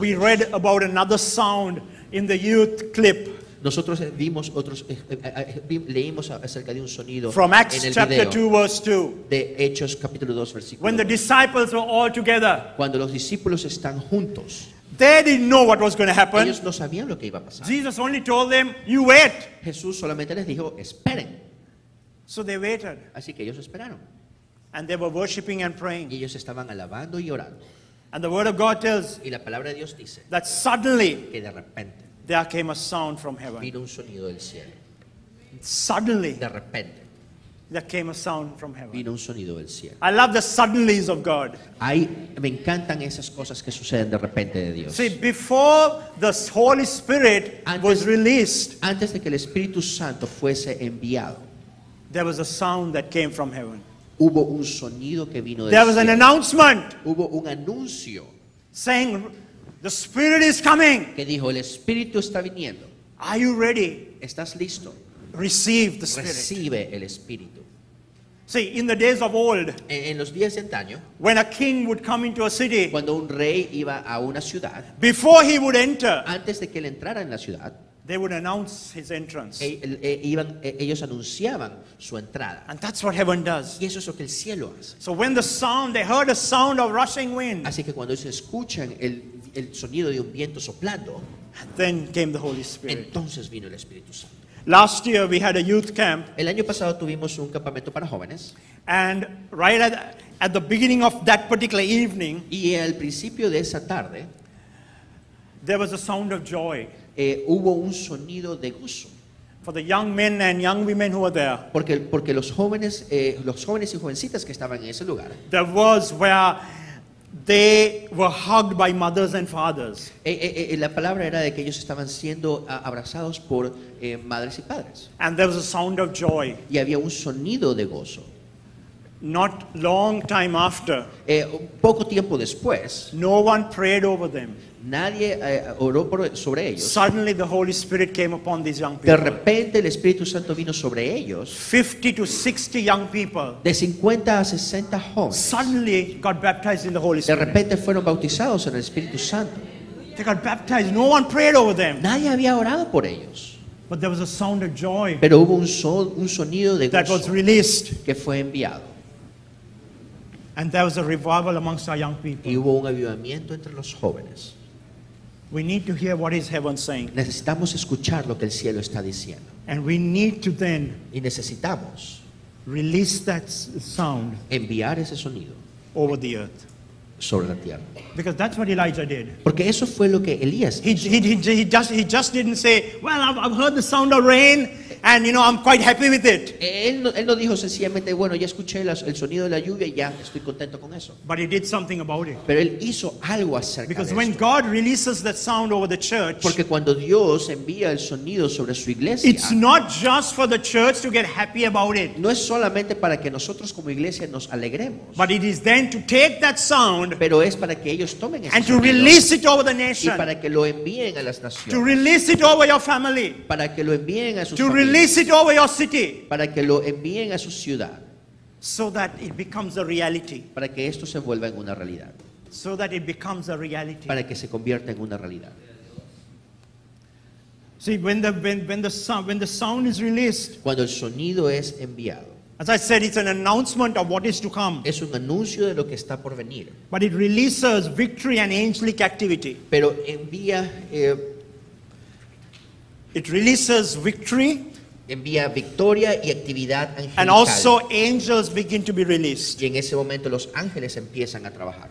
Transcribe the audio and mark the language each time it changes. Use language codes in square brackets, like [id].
[en] We read about another sound in the youth clip. [es] Nosotros vimos otros leímos acerca de un sonido [en] from Acts chapter 2 verse 2. [es] De Hechos capítulo 2 versículo. [en] When the disciples were all together. [es] Cuando los discípulos están juntos. [en] They didn't know what was going to happen. [es] Ellos no sabían lo que iba a pasar. [en] Jesus only told them, "You wait." [es] Jesús solamente les dijo, "Esperen." [en] So they waited. [es] Así que ellos esperaron. [en] And they were worshiping and praying. [es] Y ellos estaban alabando y orando. [en] And the word of God tells. [es] Y la palabra de Dios dice. [en] That suddenly. [es] Que de repente. [en] There came a sound from heaven. [es] Vino un sonido del cielo. [en] Suddenly. [es] De repente. [en] There came a sound from heaven. [es] Vino un sonido del cielo. [en] I love the suddenlies of God. [es] Ahí me encantan esas cosas que suceden de repente de Dios. [en] See, before the Holy Spirit [es] antes, [en] was released. [es] Antes de que el Espíritu Santo fuese enviado. [en] There was a sound that came from heaven. [es] Hubo un sonido que vino del cielo. [en] There was an announcement. [es] Hubo un anuncio. [en] Saying, "The Spirit is coming." [es] Que dijo, el Espíritu está viniendo. [en] Are you ready? [es] ¿Estás listo? [en] Receive the Spirit. [es] Recibe el Espíritu. [en] See, in the days of old, [es] en los días de antaño, [en] when a king would come into a city, [es] cuando un rey iba a una ciudad, [en] before he would enter, [es] antes de que él entrara en la ciudad, [en] they would announce his entrance. [es] Ellos anunciaban su entrada. [en] And that's what heaven does. [es] Y eso es lo que el cielo hace. [en] So when the sound, they heard a sound of rushing wind. [es] Así que cuando ellos escuchan el sonido de un viento soplando, [en] then came the Holy Spirit. [es] Entonces vino el Espíritu Santo. [en] Last year we had a youth camp. [es] El año pasado tuvimos un campamento para jóvenes. [en] And right at the beginning of that particular evening, [es] y al principio de esa tarde, [en] there was a sound of joy. [es] Hubo un sonido de gozo. [en] For the young men and young women who were there. [es] Porque los jóvenes y jovencitas que estaban en ese lugar. [en] There was where they were hugged by mothers and fathers. [es] La palabra era de que ellos estaban siendo abrazados por madres y padres. [en] And there was a sound of joy. [es] Y había un sonido de gozo. [en] Not long time after. [es] Poco tiempo después. [en] No one prayed over them. [es] Nadie oró sobre ellos. [en] Suddenly the Holy Spirit came upon these young people. [es] De repente el Espíritu Santo vino sobre ellos. [en] 50 to 60 young people. [es] De 50 a 60 jóvenes. [en] Suddenly got baptized in the Holy Spirit. [es] De repente fueron bautizados en el Espíritu Santo. [en] They got baptized. No one prayed over them. [es] Nadie había orado por ellos. [en] But there was a sound of joy. [es] Pero hubo un sonido de gozo. [en] That was released. [es] Que fue enviado. [en] And there was a revival amongst our young people. [es] Y hubo un avivamiento entre los jóvenes. [en] We need to hear what is heaven saying. [es] Necesitamos escuchar lo que el cielo está diciendo. [en] And we need to then [es] y necesitamos [en] release that sound [es] enviar ese sonido [en] over the earth. [es] Sobre la tierra. [en] Because that's what Elijah did. [es] Porque eso fue lo que Elías hizo. [en] He just didn't say, "Well, I've heard the sound of rain and you know, I'm quite happy with it." [es] Él no dijo sencillamente, "Bueno, ya escuché el sonido de la lluvia y ya estoy contento con eso." [en] But he did something about it. [es] Pero él hizo algo acerca de esto. [en] Because when God releases that sound over the church, [es] porque cuando Dios envía el sonido sobre su iglesia, [en] it's not just for the church to get happy about it. [es] No es solamente para que nosotros como iglesia nos alegremos. [en] But it is then to take that sound, [es] pero es para que ellos tomen ese [en] and to release it over the nation, [es] y para que lo envíen a las naciones, [en] to release it over your family, [es] para que lo envíen a sus [en] to release it over your city, [es] para que lo envíen a su ciudad, [en] so that it becomes a reality, [es] para que esto se vuelva en una realidad, [en] so that it becomes a reality, [es] para que se convierta en una realidad. [en] See, when the sound is released, [es] cuando el sonido es enviado, [en] as I said, it's an announcement of what is to come. [es] Es un anuncio de lo que está por venir. [en] But it releases victory and angelic activity. [es] Pero envía [en] it releases victory. [es] Envía victoria y actividad angelical. [en] And also angels begin to be released. [es] Y en ese momento los ángeles empiezan a trabajar.